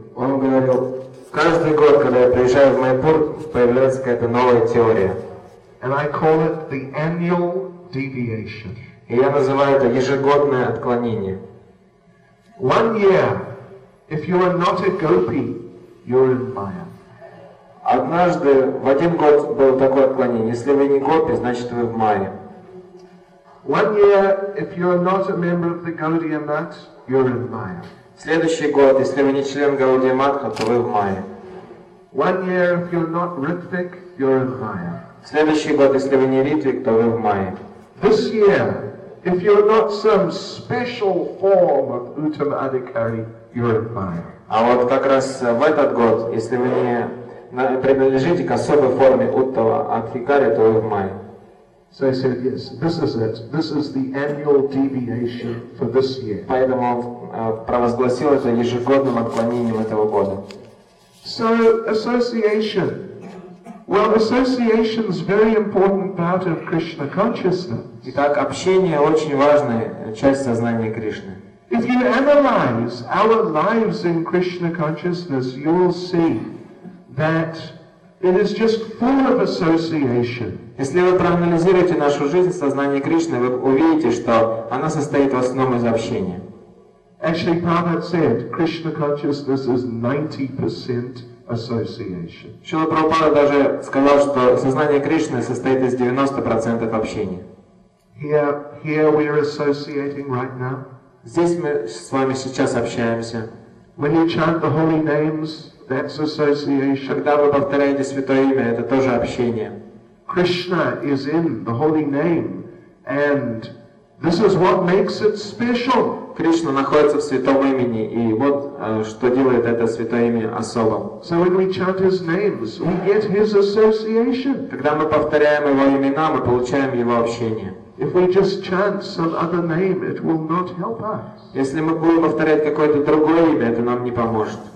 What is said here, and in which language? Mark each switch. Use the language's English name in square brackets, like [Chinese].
[Russian] Он говорил, каждый год, когда я приезжаю в Майяпур, появляется какая-то новая теория. [English] And I call it the annual deviation. [Russian] И я называю это ежегодное отклонение. [English] One year, if you are not a gopi, you're in Maya. [Russian] Однажды, в один год было такое отклонение, если вы не гопи, значит вы в Майе. [English] One year, if you are not a member of the Gaudiya Math, you're in Maya. [Russian] Следующий год, если вы не член Gaudiya Matha, то вы в Майе. [English] One year, if you're not Ritvik, you're in Maya. [Russian] Следующий год, если вы не Ритвик, то вы в Майе. [English] This year, if you're not some special form of Uttama Adhikari, you're in Maya. [Russian] А вот как раз в этот год, если вы не принадлежите к особой форме Uttama Adhikari, то вы в Майе. [English] So I said, yes, this is it. This is the annual deviation for this year. [Russian] Поэтому провозгласил это ежегодным отклонением этого года. [English] So, association. Well, association is very important part of Krishna consciousness. [Russian] Итак, общение очень важная часть сознания Кришны. [English] If you analyze our lives in Krishna consciousness, you will see that it is just full of association. [Russian] Если вы проанализируете нашу жизнь в сознании Кришны, вы увидите, что она состоит в основном из общения. [English] Actually, Prabhupada said, Krishna consciousness is 90% association. [Russian] Шрила Прабхупада даже сказал, что сознание Кришны состоит из 90% общения. [English] Here we are associating right now. [Russian] Здесь мы с вами сейчас общаемся. [English] When you chant the holy names, that's association. [Russian] Когда вы повторяете святое имя, это тоже общение. [English] Krishna is in the holy name, and this is what makes it special. [Russian] Кришна находится в святом имени, и вот что делает это святое имя особым. [English] So when we chant his names, we get his association. [Russian] Когда мы повторяем его имена, мы получаем его общение. [English] If we just chant some other name, it will not help us. [Russian] Если мы будем повторять какое-то другое имя, это нам не поможет.